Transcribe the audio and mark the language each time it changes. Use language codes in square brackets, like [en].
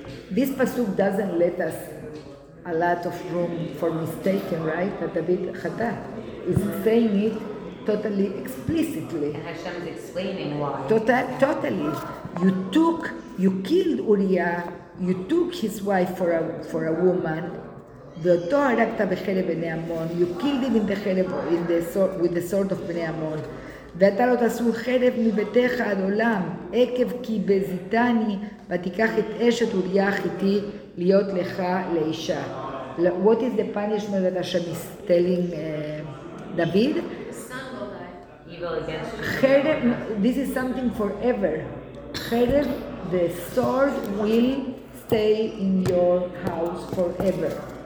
[en] This pasuk doesn't let us a lot of room for mistaken, right? That David chata is saying it totally explicitly. And Hashem is explaining why. Totally. [he] You killed Uriah, you took his wife for a woman, ואותו הרגת בחרב בני המון, you killed him in the חרב, with the sword of בני המון, ואתה לא תעשו חרב מביתך עד עולם, עקב כי בזיתני, ותיקח את אשת אוריה החיתי להיות לך לאישה. [en] What is the punishment that Hashem is telling David? חרב, this is something forever. חרב, the sword will stay in your house forever.